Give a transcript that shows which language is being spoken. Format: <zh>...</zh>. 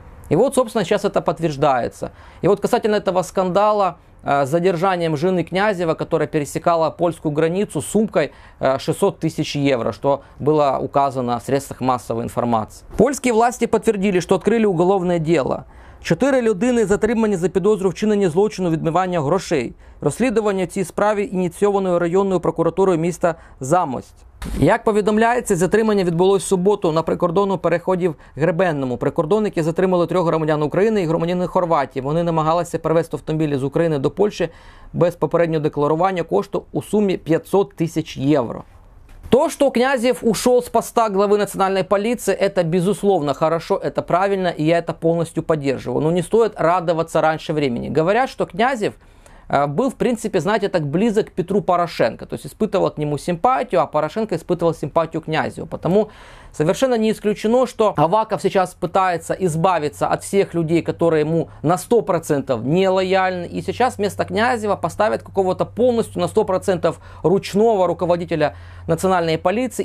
<ru>И вот, собственно, сейчас это подтверждается. И вот касательно этого скандала с задержанием жены Князева, которая пересекала польскую границу сумкой 600 тысяч евро, что было указано в средствах массовой информации. Польские власти подтвердили, что открыли уголовное дело.</ru> <uk>Чотири людини затримані за підозру вчинення злочину відмивання грошей. Розслідування цієї справи ініційованої районною прокуратурою міста Замость. Як повідомляється, затримання відбулось в суботу на прикордонному переході в Гребенному. Прикордонники затримали трьох громадян України і громадянина Хорватії. Вони намагалися перевезти автомобілі з України до Польщі без попереднього декларування кошту у сумі 500 тисяч євро. То, що Князєв</uk> <ru>ушел</ru> <uk>з поста глави національної поліції, це</uk> <ru>безусловно хорошо,</ru> <uk>це правильно, і я це повністю підтримую. Ну не стоїть радуватися раніше</uk> <ru>времени.</ru> <uk>Говорять, що</uk> <ru>Князєв был, в принципе, знаете, так близок к Петру Порошенко. То есть испытывал к нему симпатию, а Порошенко испытывал симпатию к Князеву. Потому совершенно не исключено, что Аваков сейчас пытается избавиться от всех людей, которые ему на 100% не лояльны. И сейчас вместо Князева поставят какого-то полностью на 100% ручного руководителя национальной полиции.</ru>